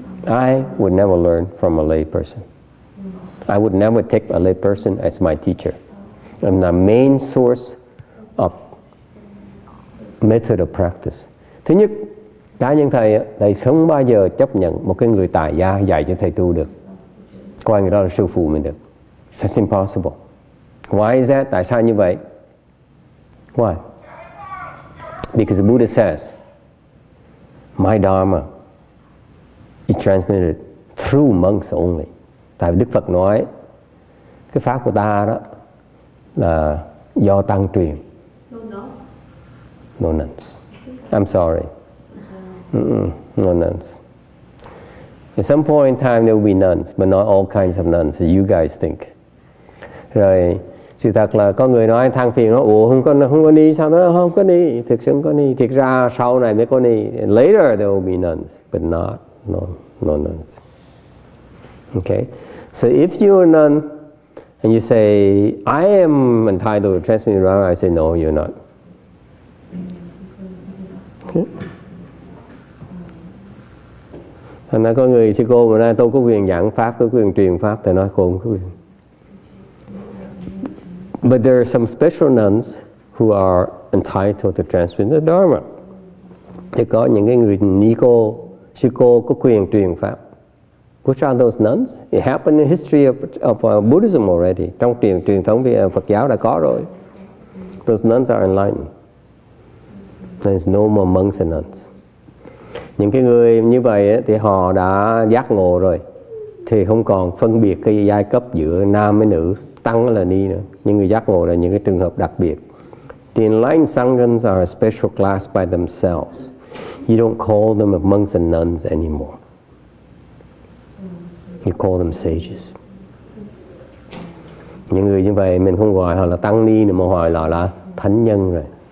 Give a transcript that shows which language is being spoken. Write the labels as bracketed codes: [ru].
[en] I would never learn from a lay person. I would never take a lay person as my teacher. And the main source of method of practice. [vi] Thứ nhất, cá nhân thầy, thầy không bao giờ chấp nhận một cái người tại gia dạy cho thầy tu được. Coi người đó là sư phụ mình được. [en] That's impossible. Why is that? [vi] Tại sao như vậy? [en] Why? Because the Buddha says, my Dharma is transmitted through monks only. [vi] Tại vì Đức Phật nói, cái pháp của ta đó là do tăng truyền. [en] No nuns. I'm sorry. No nuns. At some point in time there will be nuns, but not all kinds of nuns, so you guys think. [vi] Rồi, sự thật là có người nói thang phiền nó, ủa không có ni, sao nó không có ni, thực sự không có ni, thực ra sau này mới có ni. [en] And later there will be nuns, but not, no nuns. Okay, so if you're a nun, and you say, I am entitled to transmit Dharma, I say, no, you're not. Okay. [vi] Thành ra có người sư cô mà nói tôi có quyền giảng pháp, có quyền truyền pháp, thì nói cô không có quyền. [en] But there are some special nuns who are entitled to transmit the Dharma. [vi] Thì có những cái người ni cô, sư cô có quyền truyền pháp. [en] Which are those nuns? It happened in the history of Buddhism already. [vi] Trong truyền thống Phật giáo đã có rồi. [en] Those nuns are enlightened. There's no more monks and nuns. [vi] Những cái người như vậy ấy, thì họ đã giác ngộ rồi, thì không còn phân biệt cái giai cấp giữa nam với nữ, tăng là ni nữa. Những người giác ngộ là những cái trường hợp đặc biệt. [en] The enlightened sanghans are a special class by themselves. You don't call them monks and nuns anymore. You call them sages. [vi] Những người như vậy mình không gọi họ là tăng ni nữa, mà gọi họ là thánh nhân rồi.